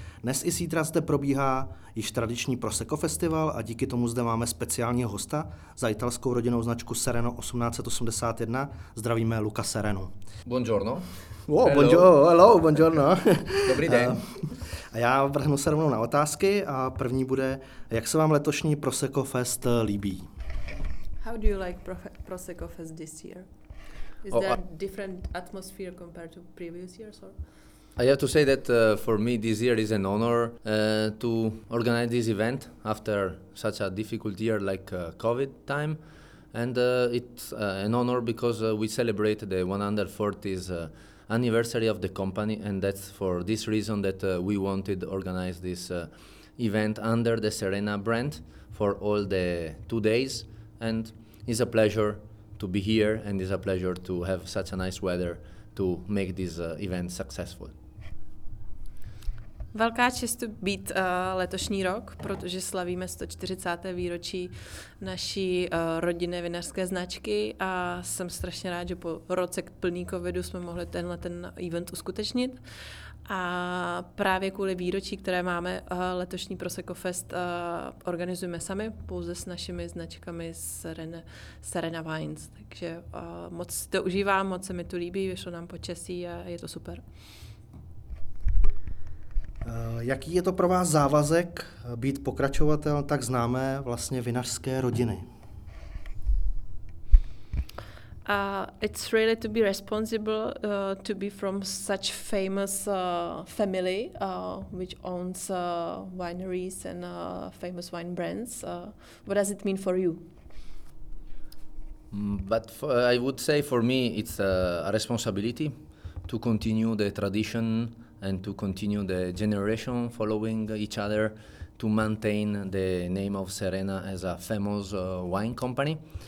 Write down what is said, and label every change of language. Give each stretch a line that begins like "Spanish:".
Czech: Dnes i zítra zde probíhá již tradiční Prosecco festival a díky tomu zde máme speciálního hosta za italskou rodinnou značku Sereno 1881. Zdravíme Luca Sereno.
Italian: Buongiorno.
English: Wow, hello.
Italian: Buongiorno.
Czech: Dobrý den. A já vrhnu se rovnou na otázky a první bude, jak se vám letošní Prosecco Fest líbí?
English: How do you like Prosecco Fest this year? Is there a different atmosphere compared to previous years or? I have to say that for me this year is an honor to organize this event after such a difficult year like COVID time. And it's an honor because we celebrate the 140th anniversary of the company, and that's for this reason that we wanted to organize this event under the Serena brand for all the 2 days. And it's a pleasure to be here, and it's a pleasure to have such a nice weather to make this event successful.
Czech: Velká čest to být letošní rok, protože slavíme 140. výročí naší rodinné vinařské značky a jsem strašně rád, že po roce plný covidu jsme mohli tenhle ten event uskutečnit. A právě kvůli výročí, které máme, letošní Prosecco Fest organizujeme sami, pouze s našimi značkami Serena Wines. Takže moc to užívám, moc se mi to líbí, vyšlo nám počasí a je to super. Jaký je to pro vás závazek být pokračovatel tak známé vlastně vinařské rodiny?
English: It's really to be responsible to be from such famous family which owns wineries and famous wine brands. What does it mean for you? I would say for me it's a responsibility to continue the tradition and to continue the generation following each other to maintain the name of Serena as a famous wine company.